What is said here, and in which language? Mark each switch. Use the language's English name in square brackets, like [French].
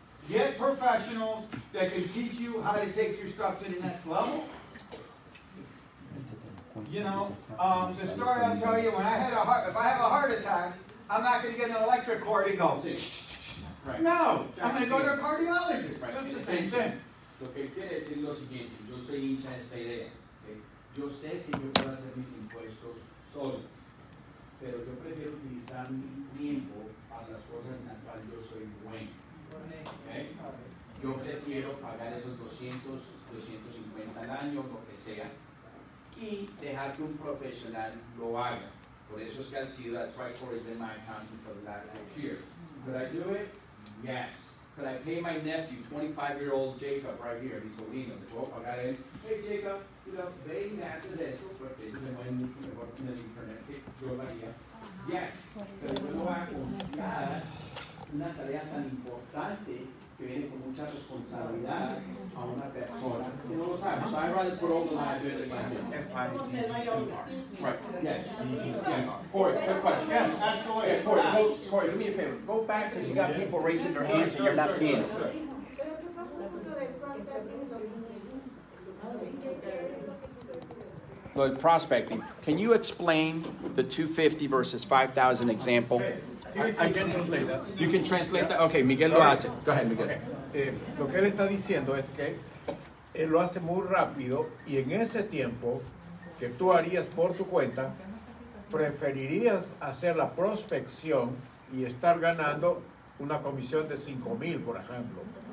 [English] Get professionals that can teach you how to take your stuff to the next level. You know, the story I'll tell you, when I had a heart, if I have a heart attack, I'm not going to get an electric cord and go, right. No, I'm going to go to a cardiologist. Right. That's the same thing. [Spanish] Lo que quiere decir lo siguiente, yo soy hincha de esta idea. Okay? Yo sé que yo puedo hacer mis impuestos solo, pero yo prefiero utilizar mi tiempo para las cosas en las cuales yo soy bueno. Okay? Yo prefiero pagar esos 200, 250 al año, lo que sea, y dejar que un profesional lo haga. Por eso es que han sido, [English] that's why Corey's been my accountant for the last 6 years. Could I do it? Yes. Could I pay my nephew, 25-year-old Jacob, right here, he's Bolino, the 12 guy, hey Jacob, you know, paying that for this, [Spanish] porque yo tengo mucho mejor en el internet que yo lo haría. [English] Yes. [Spanish] Pero yo no voy a confiar una tarea tan importante que viene con mucha responsabilidad a una persona que no lo sabe. [English] So I'd rather put all the liability on him. Right. Yes. Corey, good question. Yes, ask away. Yeah, Corey, do me a favor. Go back because you got people raising their hands and you're not seeing it. But prospecting, can you explain the 250 versus 5,000 example? I can translate that. You can translate that? Okay, [Spanish] Miguel lo hace. [English] Go ahead, Miguel. Okay. [Spanish] Lo que él está diciendo es que él lo hace muy rápido y en ese tiempo que tú harías por tu cuenta, preferirías hacer la prospección y estar ganando una comisión de 5,000, por ejemplo.